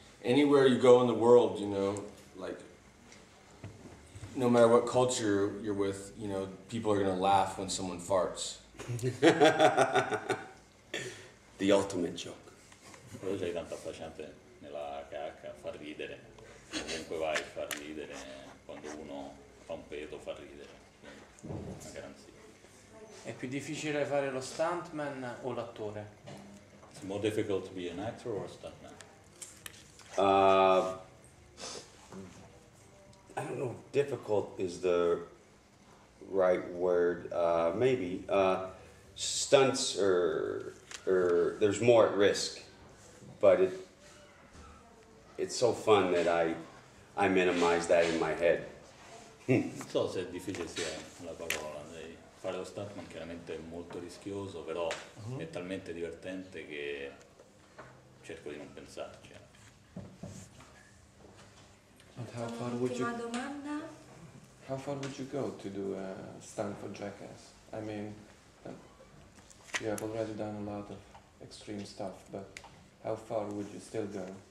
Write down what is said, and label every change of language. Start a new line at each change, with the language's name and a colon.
English: Anywhere you go in the world, you know, like, no matter what culture you're with, you know, people are going to laugh when someone farts. The ultimate joke.
Italian: Cosa è tanto affascinante nella cacca, far ridere. Comunque vai, far ridere. Quando uno fa un pedo, far ridere. Una garanzia. È più difficile fare lo stuntman o l'attore?
English: It's more difficult to be an actor or a stuntman. I don't know if difficult is the right word. Maybe. Stunts are there's more at risk, but it's so fun that I minimize that in my head.
Italian: So se è difficile sia la parola. Fare lo stuntman chiaramente è molto rischioso, però è talmente divertente che cerco di non pensarci.
English: And how far would you? How far would you go to do a stunt for Jackass? I mean, you have already done a lot of extreme stuff, but how far would you still go?